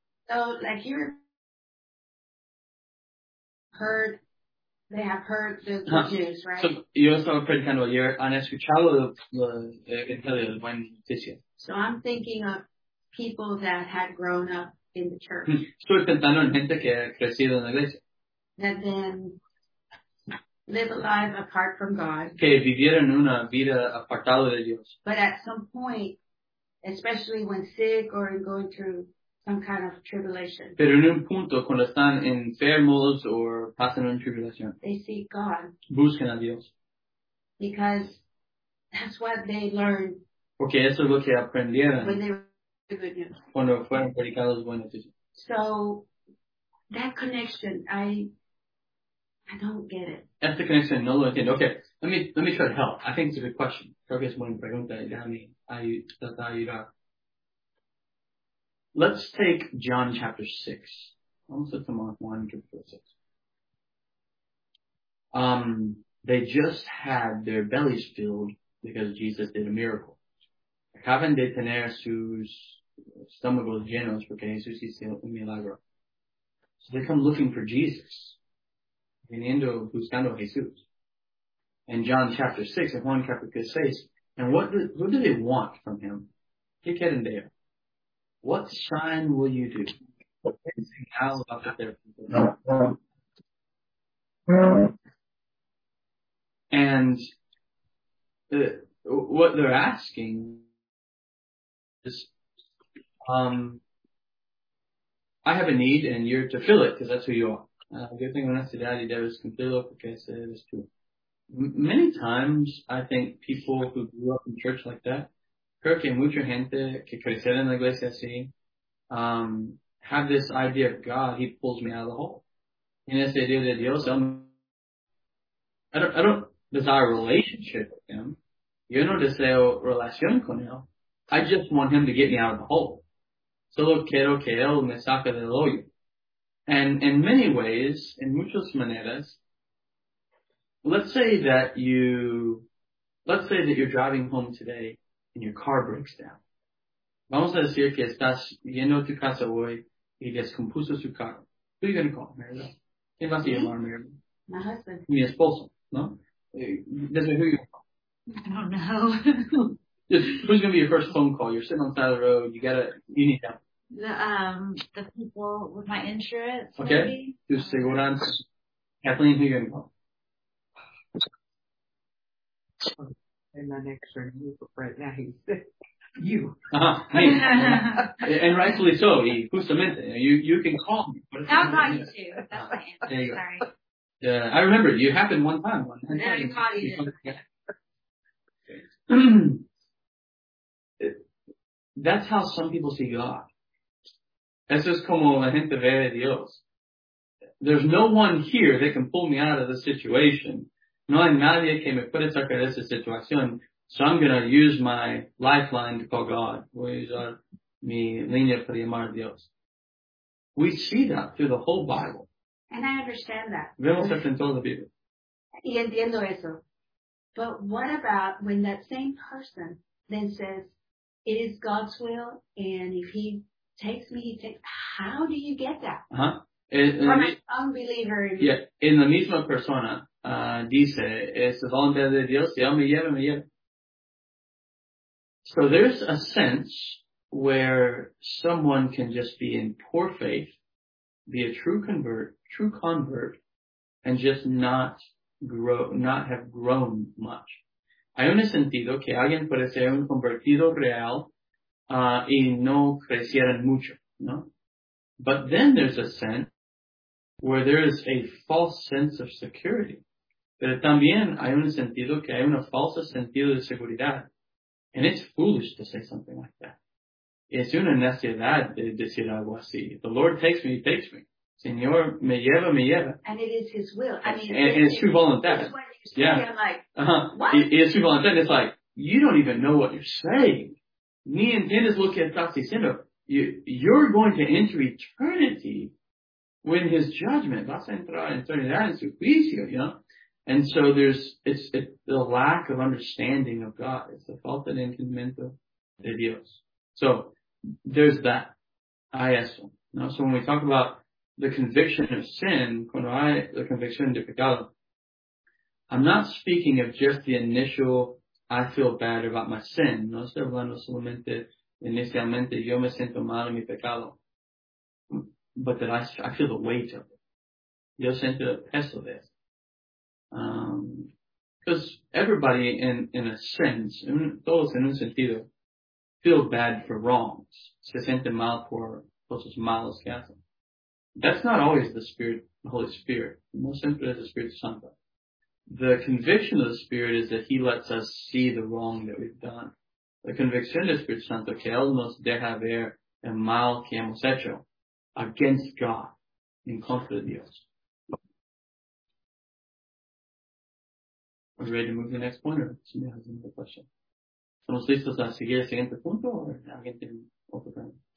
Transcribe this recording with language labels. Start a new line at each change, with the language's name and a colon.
English: So, like, you heard, they have heard the Jews, right? So, you also have heard kind of, you're on
Spanish: escuchado the Evangelio, the buen noticia.
English: So, I'm thinking of people that had grown up in the church.
Spanish: Estoy pensando en gente que ha crecido en la iglesia.
English: That then live a life apart from God.
Spanish: Que vivieron una vida apartada de Dios.
English: But at some point, especially when sick or going through some kind of tribulation.
Spanish: Pero en un punto, cuando están enfermos o pasan una tribulación.
English: They seek God.
Spanish: Buscan a Dios.
English: Because that's what they learned.
Spanish: Porque eso es lo que aprendieron.
English: When they were good news.
Spanish: Cuando fueron predicados buenas noticias.
English: So, that connection, I don't get it.
Spanish: Esta conexión no lo entiendo.
English: Okay, let me try to help. I think it's a good question.
Spanish: Creo que es buena pregunta. Déjame tratar de ayudar.
English: Let's take John chapter 6.
Spanish: Vamos a tomar Juan capítulo 6.
English: They just had their bellies filled because Jesus did a miracle.
Spanish: Acaban de tener sus estómagos llenos porque Jesús hizo un milagro.
English: So they come looking for Jesus.
Spanish: Viniendo buscando Jesús.
English: In John chapter 6,
Spanish: in Juan capítulo 6,
English: and what do they want from him?
Spanish: ¿Qué quieren de él?
English: What sign will you do? What signal about that there? And what they're asking is, I have a need and you're to fill it because that's who you are.
Spanish: Yo tengo una necesidad y debes cumplirlo porque ese eres tú.
English: Many times, I think people who grew up in church like that,
Spanish: creo que mucha gente que crecieron en la iglesia así,
English: have this idea of God, he pulls me out of the hole. And
Spanish: esa idea de Dios,
English: I don't desire a relationship with him.
Spanish: Yo no deseo relación con él.
English: I just want him to get me out of the hole.
Spanish: Solo quiero que él me saque del hoyo.
English: And in many ways, in
Spanish: muchas maneras,
English: let's say that you're driving home today and your car breaks down.
Spanish: Vamos a decir que estás yendo a tu casa hoy y descompuso su carro.
English: Who are you going to call, Mary?
Spanish: ¿Quién va a llamar, Mary?
English: My husband.
Spanish: Mi esposo, ¿no? Desde
English: who are you going to call? I don't know. Who's going to be your first phone call? You're sitting on the side of the road. You need help. The people with my insurance. Okay. Maybe?
Spanish: Tu seguranza.
English: Kathleen, who are you going to call? And my next turn, right now he's sick. You. Uh-huh. And rightfully so.
Spanish: Justamente.
English: You can call me. I'll call you too. That's my answer. There you go. Sorry. Yeah, I remember. You happened one time. One time. Yeah, you called you. That's how some people see God.
Spanish: Eso es como la gente ve a Dios.
English: There's no one here that can pull me out of the situation.
Spanish: No hay nadie que me puede sacar de esa situación.
English: So I'm going to use my lifeline to call God.
Spanish: Voy a usar mi línea para llamar a Dios.
English: We see that through the whole Bible. And I understand that.
Spanish: Vemos eso en toda la Biblia. Y entiendo eso.
English: But what about when that same person then says, it is God's will, and if he takes me, how do you get that? Uh-huh. I'm an unbeliever. Yeah, in
Spanish: la misma persona, dice, es la voluntad de Dios, y él me lleva.
English: So there's a sense where someone can just be in poor faith, be a true convert, and just not have grown much.
Spanish: Hay un sentido que alguien puede ser un convertido real y no crecieran mucho, ¿no?
English: But then there's a sense where there is a false sense of security.
Spanish: Pero también hay un sentido que hay una falsa sentido de seguridad.
English: And it's foolish to say something like that.
Spanish: Es una necedad de decir algo así.
English: The Lord takes me, he takes me.
Spanish: Señor, me lleva, me lleva.
English: And it is his will. I mean, and it's true voluntad. That's why you're speaking, yeah. Like, uh-huh. It's true voluntad. It's like, you don't even know what you're saying.
Spanish: Ni entiendes lo que estás diciendo.
English: You're going to enter eternity when his judgment.
Spanish: Vas a entrar en eternidad en su juicio,
English: you know? And so it's the lack of understanding of God. It's the fault of
Spanish: entendimiento de Dios.
English: So there's that.
Spanish: Hay eso. No?
English: So when we talk about the conviction of sin,
Spanish: cuando hay la convicción de pecado,
English: I'm not speaking of just the initial, I feel bad about my sin.
Spanish: No estoy hablando solamente inicialmente, yo me siento mal en mi pecado.
English: But that I feel the weight of it.
Spanish: Yo siento el peso de eso.
English: Because everybody in a sense,
Spanish: todos en un sentido,
English: feel bad for wrongs.
Spanish: Se siente mal por cosas malas que hacen.
English: That's not always the Spirit, the Holy Spirit.
Spanish: No siempre es el Espíritu Santo.
English: The conviction of the Spirit is that he lets us see the wrong that we've done.
Spanish: La convicción del Espíritu Santo que él nos deja ver el mal que hemos hecho
English: against God,
Spanish: en contra de Dios.
English: Are we ready to move to the next point, or somebody has another question?
Spanish: ¿Estamos listos a seguir el siguiente punto, or alguien tiene otro problema?